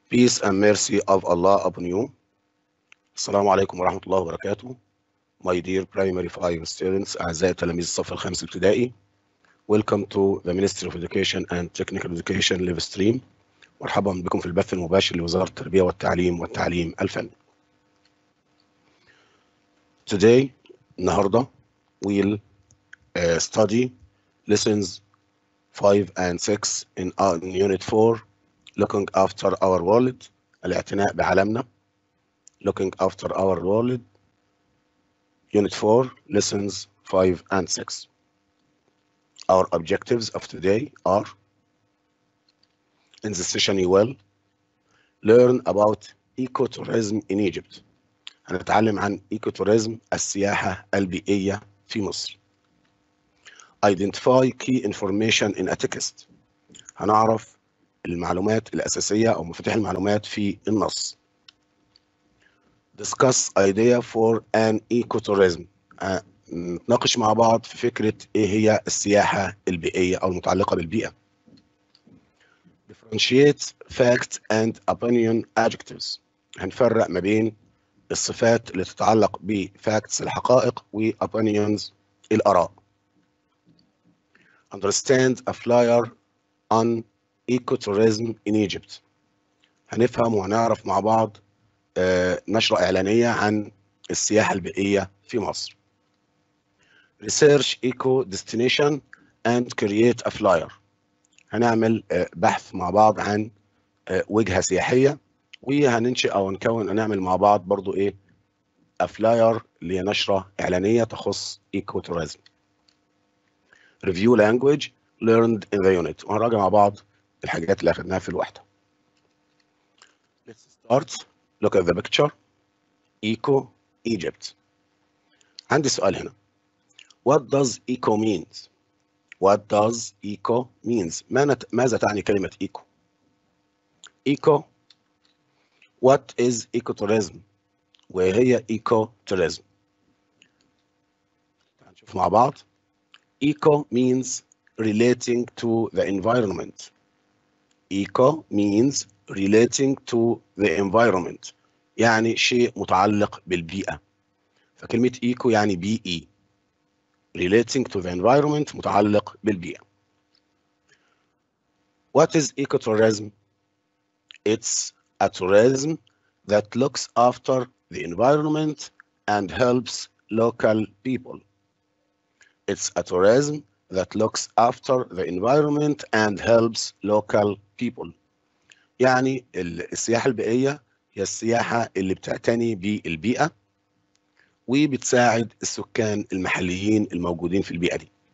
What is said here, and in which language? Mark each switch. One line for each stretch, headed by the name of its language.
English: Peace and mercy of Allah upon you.
Arabic: السلام عليكم ورحمة الله وبركاته.
English: My dear primary five students,
Arabic: أعزائي تلاميذ الصف الخامس ابتدائي.
English: Welcome to the Ministry of Education and Technical Education live stream.
Arabic: مرحبا بكم في البث المباشر لوزارة التربية والتعليم والتعليم الفني.
English: Today, النهاردة, we'll study lessons 5 and 6 in unit 4. Looking after our world,
Arabic: الاعتناء بعالمنا.
English: Looking after our world, Unit 4, Lessons 5 and 6. Our objectives of today are, in this session you will learn about ecotourism in Egypt.
Arabic: هنتعلم عن ecotourism, السياحة البيئية في مصر.
English: Identify key information in a text.
Arabic: هنعرف المعلومات الأساسية أو مفاتيح المعلومات في النص.
English: Discuss idea for an ecotourism.
Arabic: نتناقش مع بعض في فكرة إيه هي السياحة البيئية أو المتعلقة بالبيئة.
English: Differentiate facts and opinion adjectives.
Arabic: هنفرق ما بين الصفات اللي تتعلق بفاكتس الحقائق وopinions الآراء.
English: Understand a flyer on ecotourism in Egypt.
Arabic: هنفهم وهنعرف مع بعض نشرة إعلانية عن السياحة البيئية في مصر.
English: Research eco destination and create a flyer.
Arabic: هنعمل بحث مع بعض عن وجهة سياحية وهننشئ أو نكون نعمل مع بعض برضو إيه a flyer لنشرة إعلانية تخص ecotourism.
English: Review language learned in the unit.
Arabic: وهنراجع مع بعض الحاجات اللي أخذناها في الوحدة.
English: Let's start. Look at the picture. Eco Egypt.
Arabic: عندي سؤال هنا.
English: What does eco means? What does eco means?
Arabic: ماذا تعني كلمة eco?
English: Eco. What is ecotourism?
Arabic: وهي ecotourism. نشوف مع بعض.
English: Eco means relating to the environment. Eco means relating to the environment.
Arabic: يعني شيء متعلق بالبيئة. فكلمة eco يعني بيئي.
English: Relating to the environment
Arabic: متعلق بالبيئة.
English: What is ecotourism? It's a tourism that looks after the environment and helps local people. It's a tourism that looks after the environment and helps local people.
Arabic: يعني السياحة البيئية هي السياحة اللي بتعتني بالبيئة وبتساعد السكان المحليين الموجودين في البيئة دي.